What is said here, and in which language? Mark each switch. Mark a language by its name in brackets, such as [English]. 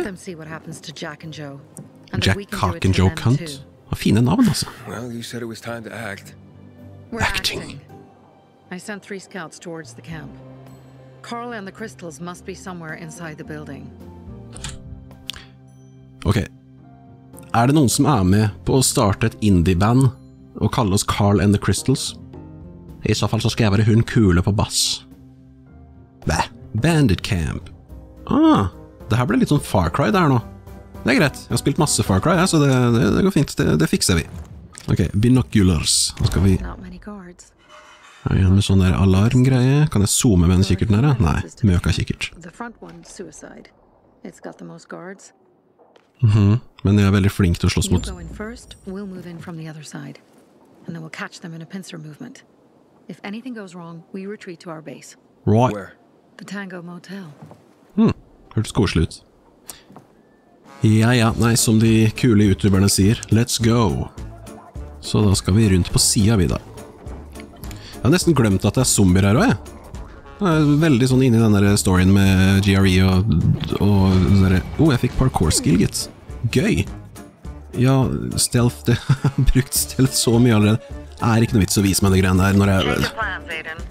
[English] Let them see what happens to Jack and Joe. And Jack, Cock and Joe Cunt. [Norwegian] Hva fine navn, altså. [English] Well, you said it was time to act. We're acting. I sent 3 scouts towards the camp. Carl and the crystals must be somewhere inside the building. Ok. [Norwegian] Er det noen som er med på å starte et indie-band og kalle oss Carl and the Crystals? I så fall så skal jeg være hun kule på bass. Bæh, Bandit Camp. Ah, det her ble litt sånn Far Cry der nå. Det er greit, jeg har spilt masse Far Cry, så det går fint, det fikser vi. Ok, binoculars, nå skal vi... Er vi igjen med sånn der alarmgreie? Kan jeg zoome med en kikkert nære? Nei, møka kikkert. Mhm, men jeg er veldig flink til å slåss mot. Du går først, vi går inn fra den andre siden. Og vi kan kjøre dem i en pincer-movement. [English] If anything goes wrong, we retreat to our base. Right. Where? The Tango Motel. [Norwegian] Hørtes koselig ut. Ja, ja, nei, som de kule youtuberne sier. [English] Let's go. [Norwegian] Så da skal vi rundt på siden vi da. Jeg har nesten glemt at det er zombier her også, jeg. Jeg er veldig sånn inne i denne storyen med GRE og der. Jeg fikk parkour skill, gitt. Gøy. Ja, stealth, det har brukt stealth så mye allerede. Det er ikke noe vits å vise meg det greiene der, når jeg...